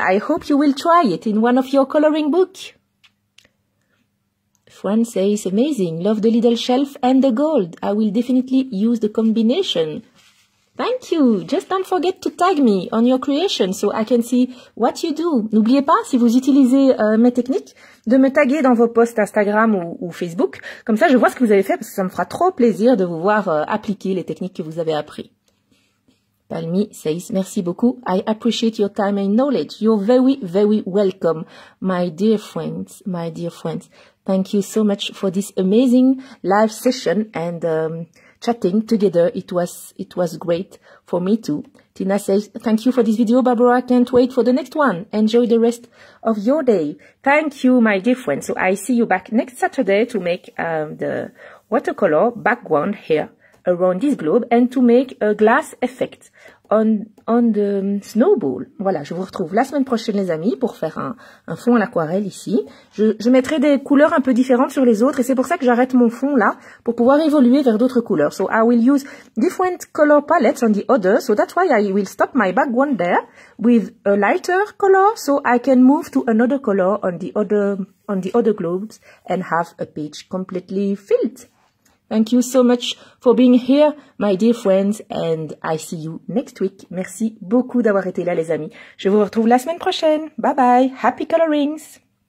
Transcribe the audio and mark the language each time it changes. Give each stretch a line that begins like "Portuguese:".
English: I hope you will try it in one of your coloring books. Fran says, amazing, love the little shelf and the gold. I will definitely use the combination. Thank you. Just don't forget to tag me on your creation so I can see what you do.
French: N'oubliez pas, si vous utilisez mes techniques, de me taguer dans vos posts Instagram ou Facebook. Comme ça, je vois ce que vous avez fait parce que ça me fera trop plaisir de vous voir appliquer les techniques que vous avez apprises.
English: Palmi says,
French: merci beaucoup.
English: I appreciate your time and knowledge. You're very, very welcome, my dear friends. Thank you so much for this amazing live session and chatting together. It was great for me too. Tina says, thank you for this video, Barbara. Can't wait for the next one. Enjoy the rest of your day. Thank you, my dear friend. So I see you back next Saturday to make the watercolor background here around this globe and to make a glass effect on the snowball.
French: Voilà, je vous retrouve la semaine prochaine, les amis, pour faire un fond à l'aquarelle ici. Je mettrai des couleurs un peu différentes sur les autres et c'est pour ça que j'arrête mon fond là pour pouvoir évoluer vers d'autres couleurs.
English: So I will use different color palettes on the other. So that's why I will stop my background there with a lighter color so I can move to another color on the other globes and have a page completely filled. Thank you so much for being here, my dear friends, and I see you next week.
French: Merci beaucoup d'avoir été là, les amis. Je vous retrouve la semaine prochaine. Bye bye.
English: Happy colorings.